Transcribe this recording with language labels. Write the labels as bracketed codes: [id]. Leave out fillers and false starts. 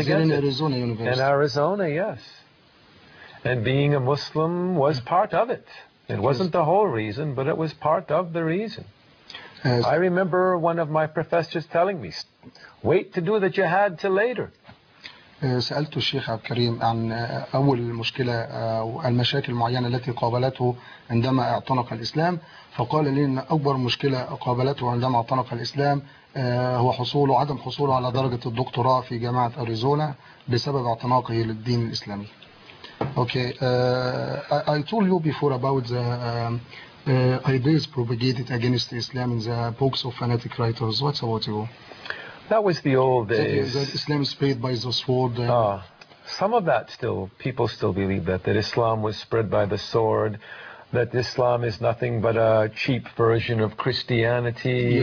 [en] then get in it. In Arizona University. In Arizona, yes. And being a Muslim was part of it. It wasn't the whole reason, but it was part of the reason. Yes. I remember one of my professors telling me, wait to do the jihad till later. [ar] سألت الشيخ عبد الكريم عن أول المشكلة أو المشاكل المعينة التي قابلته عندما اعتنق الإسلام فقال لي أن أكبر مشكلة قابلته عندما اعتنق الإسلام هو حصوله عدم حصوله على درجة الدكتوراه في جامعة أريزونا بسبب اعتناقه للدين الإسلامي. [en] Okay, I told you before about the ideas propagated against Islam in the books of fanatic writers. What about you? That was the old days. That Islam spread by the sword. Some of that still, people still believe that, that Islam was spread by the sword, that Islam is nothing but a cheap version of Christianity,